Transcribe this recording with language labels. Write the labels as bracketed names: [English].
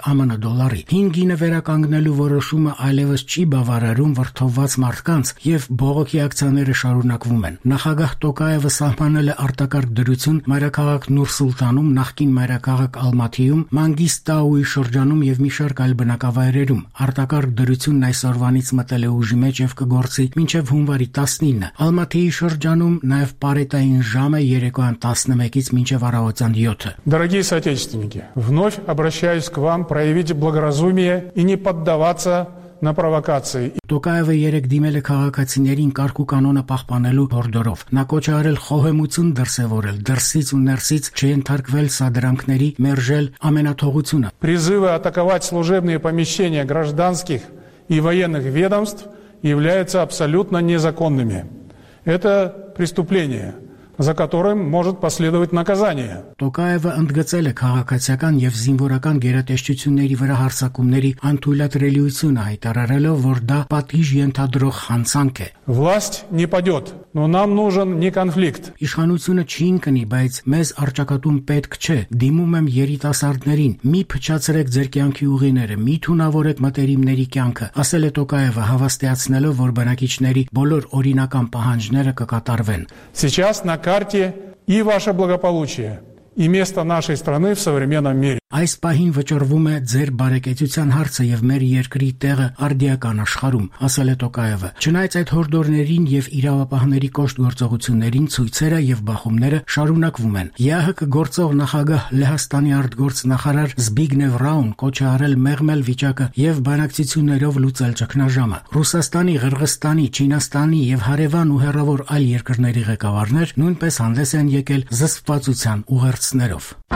[Armenian] ԱՄՆ դոլարի։ Հին գինը վերականգնելու որոշումը այլևս չի բավարարում վրդովված մարդկանց, և բողոքի ակցիաները շարունակվում են։ Նախագահ Տոկաևը սահմանել է արտակարգ դրություն մայրաքաղաք Նուր Սուլտանում, նախկին մայրաքաղաք Ալմաթիում, Մանգիստաուի շրջանում և մի շարք այլ բնակավայրերում։ Արտակարգ դրությունն այսօրվանից մտել է ուժի մեջ և կգործի մինչև հունվարի 19-ը։ Ալմաթիի շրջանում նաև պարետային ժամը 3:11-ից մինչև առավոտյան 7-ը։ [Russian] Дорогие соотечественники, вновь обращаюсь к вам проявить благоразумие и не поддаваться на провокации. [Armenian] Տոկաևը երեք դիմել է քաղաքացիներին կարգ ու կանոնը պահպանելու բորդորով։ Նա կոչ է արել խոհեմություն դրսևորել, դրսից ու ներսից չընդարկվել սադրանքների, մերժել ամենաթողությունը։ [Russian] Призывы атаковать служебные помещения гражданских и военных ведомств являются абсолютно незаконными. Это преступление. за которым может последовать наказание. [Armenian] Токаева ընդգծել է քաղաքացիական եւ զինվորական գերատեսչությունների վրա հարձակումների անթույլատրելիությունը, հայտարարելով, որ դա պատիժ ենթադրող հանցանք է. [Russian] Власть не падёт, но нам нужен не конфликт. [Armenian] Իշխանությունը չի ընկնի, բայց մեզ արճակատուն պետք չէ։ Դիմում եմ երիտասարդներին։ Մի փչացրեք ձեր կյանքի ուղիները, մի թունավորեք մտերիմների կյանքը, ասել է Տոկաևը, հավաստիացնելով, որ բնակիչների բոլոր օրինական պահանջները կկատարվեն։ [Russian] Сейчас на карте и ваше благополучие, и место нашей страны в современном мире. [Armenian] Այս պահին վճռվում է ձեր բարեկեցության հարցը եւ մեր երկրի տեղը արդիական աշխարհում, ասել է Տոկաևը։ Չնայած այդ հորդորներին եւ իրավապահների կոշտ գործողություններին, ցույցերը եւ բախումները շարունակվում են։ ԵԱՀԿ գործող նախագահ Լեհաստանի արտգործնախարար Զբիգնև Ռաուն կոչ է արել մեղմել վիճակը եւ բանակցություններով լուծել ճգնաժամը։ Ռուսաստանի, Ղրղստանի, Չինաստանի եւ հարևան ու հեռավոր այլ երկրների ղեկավարներ նույնպես հանդես են եկել զսպվածության ուղերձներով։